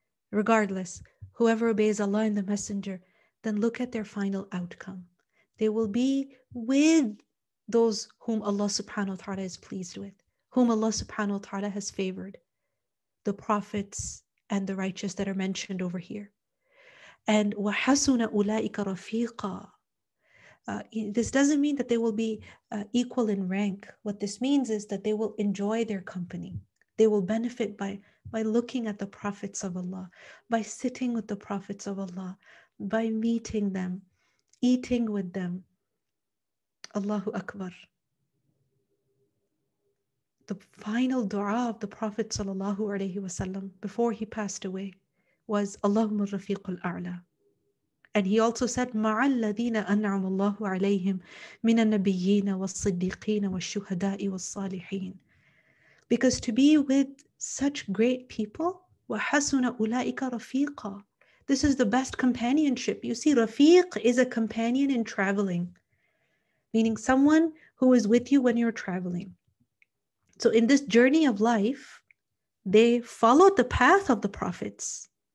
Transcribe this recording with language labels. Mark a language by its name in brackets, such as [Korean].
[English] Regardless, whoever obeys Allah and the Messenger, then look at their final outcome. They will be with those whom Allah subhanahu wa ta'ala is pleased with, whom Allah subhanahu wa ta'ala has favored, the prophets and the righteous that are mentioned over here. And [Arabic] وَحَسُنَ أُولَٰئِكَ رَفِيقًا. [English] This doesn't mean that they will be equal in rank. What this means is that they will enjoy their company. They will benefit by looking at the prophets of Allah, by sitting with the prophets of Allah, by meeting them, eating with them. Allahu Akbar. The final dua of the Prophet sallallahu alayhi wa sallam before he passed away was [Arabic] Allahumma rafiq al-a'la. [English] And he also said, [Arabic] مَعَ الَّذِينَ أَنْعَمَ اللَّهُ عَلَيْهِمْ مِنَ النَّبِيِّينَ وَالصِّدِّيقِينَ وَالشُّهَدَاءِ وَالصَّالِحِينَ. [English] Because to be with such great people, [Arabic] وَحَسُنَ أُولَٰئِكَ رَفِيقًا. [English] This is the best companionship. You see, rafiq is a companion in traveling, meaning someone who is with you when you're traveling. So in this journey of life, they followed the path of the prophets.